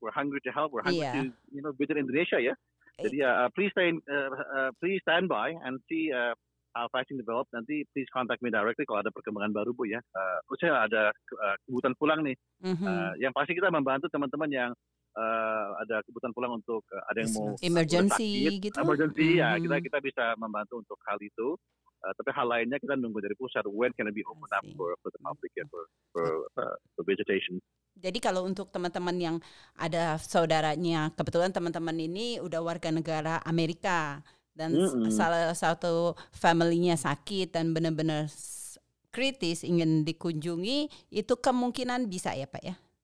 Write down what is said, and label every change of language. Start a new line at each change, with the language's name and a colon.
English: We're hungry to help. We're hungry to, you know, better Indonesia ya.
Indonesian: Jadi ya,
English: please stand by and see how fashion develop.
Indonesian: Nanti
English: please contact me directly
Indonesian: kalau ada perkembangan baru bu ya. Saya ada kebutuhan pulang nih. Yang pasti kita membantu teman-teman yang ada kebutuhan pulang untuk ada yang mau emergency gitu. Emergency ya, kita bisa membantu untuk hal itu. Tapi hal lainnya kita nunggu dari pusat.
English: When can it be open up for the public and for visitation?
Indonesian: Jadi kalau untuk teman-teman yang ada saudaranya, kebetulan teman-teman ini udah warga negara Amerika dan salah satu family-nya sakit dan benar-benar kritis ingin dikunjungi, itu kemungkinan bisa ya Pak ya?